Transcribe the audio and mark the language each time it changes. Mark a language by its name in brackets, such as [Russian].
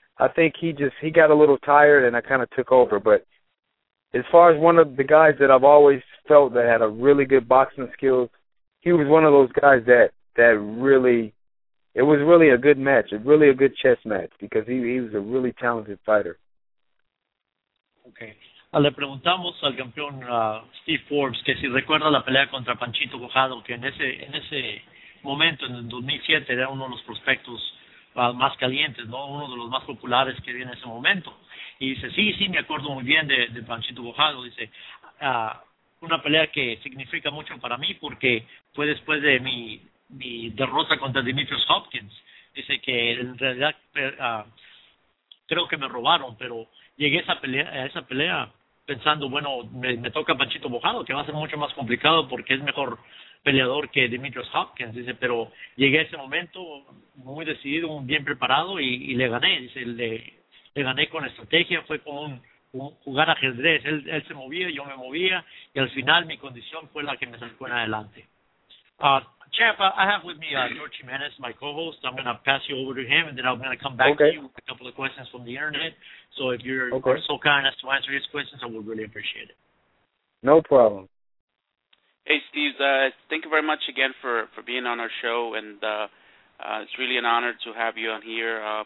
[English] I think he got a little tired and I kind of took over, but as far as one of the guys that I've always felt that had a really good boxing skills, he was one of those guys that really, it was really a good match, really a good chess match, because he was a really talented fighter. Okay. [Spanish] Le preguntamos al campeón Steve Forbes que si recuerda la pelea contra Panchito Bojado, que en ese momento, en el 2007, era uno de los prospectos más calientes, ¿no? Uno de los más populares que había en ese momento. Y dice, sí, me acuerdo muy bien de Panchito Bojado. Dice, una pelea que significa mucho para mí, porque fue después de mi derrota contra Demetrius Hopkins. Dice que en realidad creo que me robaron, pero llegué a esa pelea pensando, bueno, me toca Panchito Bojado, que va a ser mucho más complicado porque es mejor peleador que Demetrius Hopkins. Dice, pero llegué a ese momento muy decidido, bien preparado, y le gané. Dice, le gané con estrategia, fue como un jugar ajedrez. Él se movía, yo me movía, y al final mi condición fue la que me sacó en adelante. [English] Champ, I have with me George Jimenez, my co-host. I'm going to pass you over to him, and then I'm going to come back to you with a couple of questions from the internet. So if you're so kind as to answer his questions, I would really appreciate it. No problem. Hey, Steve, thank you very much again for being on our show, and it's really an honor to have you on here.